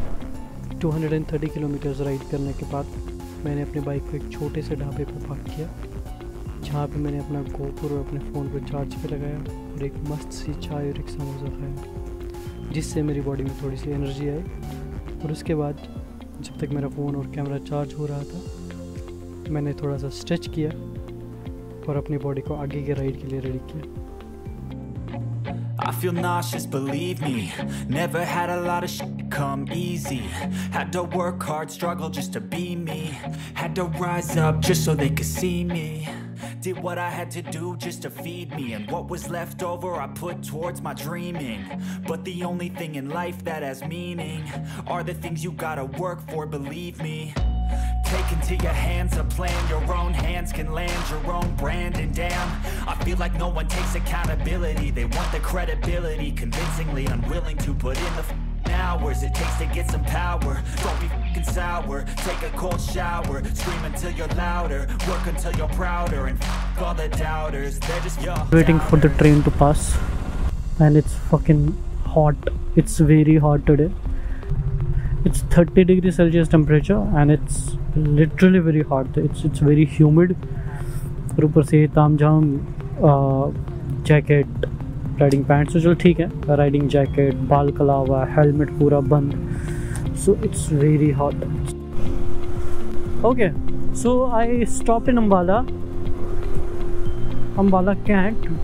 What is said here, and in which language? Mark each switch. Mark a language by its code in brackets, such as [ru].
[hi] 230 kilometres ride करने के बाद मैंने अपनी बाइक को एक छोटे से ढाबे पर पार्क किया, जहाँ पे मैंने अपना गोप्रो और अपने फ़ोन को चार्ज पे लगाया और एक मस्त सी चाय और एक समोसा खाया, जिससे मेरी बॉडी में थोड़ी सी एनर्जी आई. और उसके बाद जब तक मेरा फ़ोन और कैमरा चार्ज हो रहा था, मैंने थोड़ा सा स्ट्रेच किया और अपनी बॉडी को आगे के राइड के लिए रेडी किया. [en] I feel nauseous, believe me. Never had a lot of shit come easy. Had to work hard, struggle just to be me. Had to rise up just so they could see me. Did what I had to do just to feed me. And what was left over I put towards my dreaming. But the only thing in life that has meaning are the things you gotta work for, believe me. Take into your hands a plan. Your own hands can land your own brand. And damn, I feel like no one takes accountability. They want the credibility, convincingly unwilling to put in the hours it takes to get some power. Don't be f***ing sour, take a cold shower. Scream until you're louder, work until you're prouder. And f*** all the doubters, they're just your doubters. Waiting for the train to pass. And it's fucking hot. It's very hot today. It's 30 degrees Celsius temperature and it's literally very hot. It's very humid. [hi] और ऊपर से ताम झाम jacket, riding pants तो चलो ठीक है, riding jacket, बाल कलावा, हेलमेट पूरा बंद. [en] So it's very hot. Okay, so I stop in Ambala Cantt.